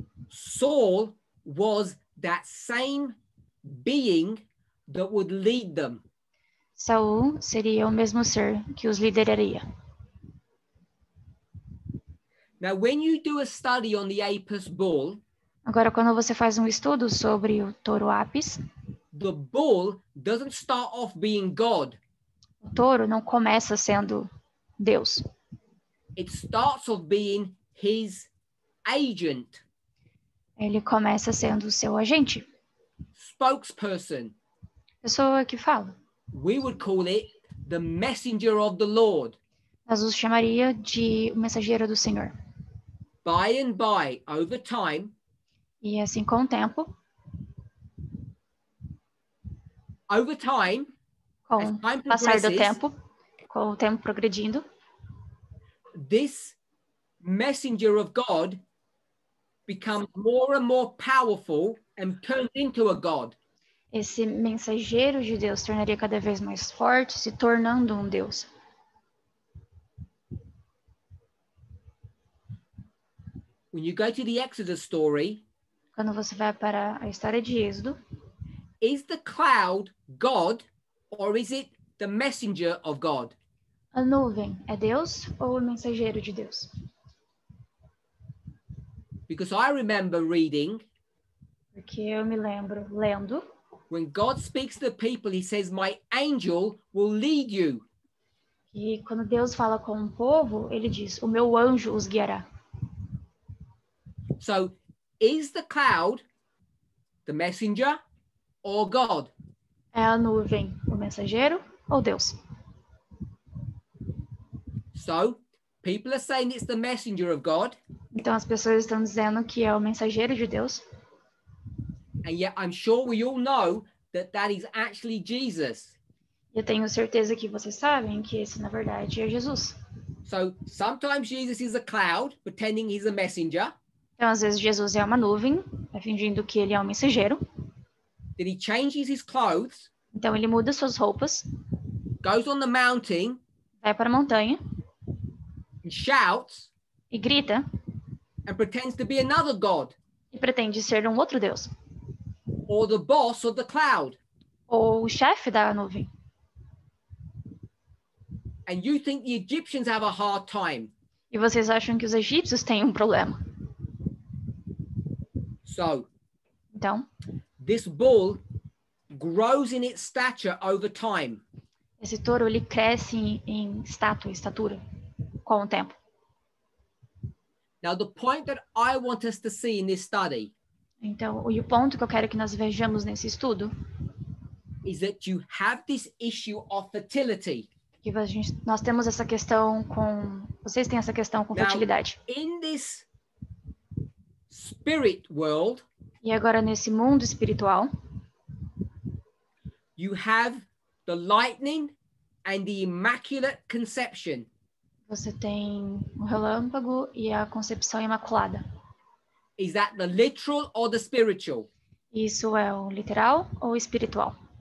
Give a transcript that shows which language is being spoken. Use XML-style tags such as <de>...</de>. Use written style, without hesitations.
<en>Saul was that same being that would lead them.</en> <pt>Saul seria o mesmo ser que os lideraria.</pt> <en>Now, when you do a study on the apis bull,</en> <pt>agora quando você faz um estudo sobre o touro apis,</pt> <en>the bull doesn't start off being God.</en> <pt>O touro não começa sendo Deus.</pt> <en>It starts off being his agent.</en> <pt>Ele começa sendo o seu agente.</pt> <en>Spokesperson.</en> <pt>Pessoa que fala.</pt> <en>We would call it the messenger of the Lord.</en> <pt>Nós os chamaria de o mensageiro do Senhor.</pt> <en>By and by, over time.</en> <pt>E assim com o tempo.</pt> <en>Over time.</en> <pt>Com</pt> <en>as time</en> <pt>passar do tempo. Com o tempo progredindo.</pt> <en>This messenger of God becomes more and more powerful and turns into a god.</en> <pt>Esse mensageiro de Deus tornaria cada vez mais forte, se tornando um Deus.</pt> <en>When you go to the Exodus story,</en> <pt>quando você vai para a história de Êxodo,</pt> <en>is the cloud God or is it the messenger of God?</en> <pt>A nuvem é Deus ou o mensageiro de Deus?</pt> <en>Because I remember reading,</en> <pt>porque eu me lembro lendo.</pt> <en>When God speaks to the people, he says, my angel will lead you.</en> <pt>E quando Deus fala com o povo, ele diz, o meu anjo os guiará.</pt> <en>So, is the cloud the messenger or God?</en> <pt>É a nuvem o mensageiro ou Deus?</pt> <en>So, people are saying it's the messenger of God.</en> <pt>Então as pessoas estão dizendo que é o mensageiro de Deus.</pt> <en>And yet I'm sure we all know that that is actually Jesus.</en> <pt>Eu tenho certeza que vocês sabem que esse na verdade é Jesus.</pt> <en>So, sometimes Jesus is a cloud, pretending he's a messenger.</en> <pt>Então às vezes Jesus é uma nuvem, fingindo que ele é um mensageiro.</pt> <en>Then he changes his clothes.</en> <pt>Então ele muda suas roupas.</pt> <en>Goes on the mountain.</en> <pt>Vai para a montanha.</pt> <en>He shouts.</en> <pt>E grita.</pt> <en>And pretends to be another god.</en> <pt>E pretende ser um outro Deus.</pt> <en>Or the boss of the cloud.</en> <pt>Ou o chefe da nuvem.</pt> <en>And you think the Egyptians have a hard time.</en> <pt>E vocês acham que os egípcios têm um problema.</pt> <en>So.</en> <pt>Então.</pt> <en>This bull grows in its stature over time.</en> <pt>Esse touro, ele cresce em estatura com o tempo.</pt> <en>Now, the point that I want us to see in this study.</en> <pt>Então, e o ponto que eu quero que nós vejamos nesse estudo.</pt> <en>Is that you have this issue of fertility.</en> <pt>Que a gente, nós temos essa questão com, vocês têm essa questão com</pt> <en>Now,</en> <pt>fertilidade.</pt> <en>In this spirit world.</en> <pt>E agora nesse mundo espiritual.</pt> <en>You have the lightning and the immaculate conception.</en> <pt>Você tem o relâmpago e a concepção imaculada.</pt> <en>Is that the literal or the spiritual?</en> <pt>Isso é o literal ou espiritual?</pt>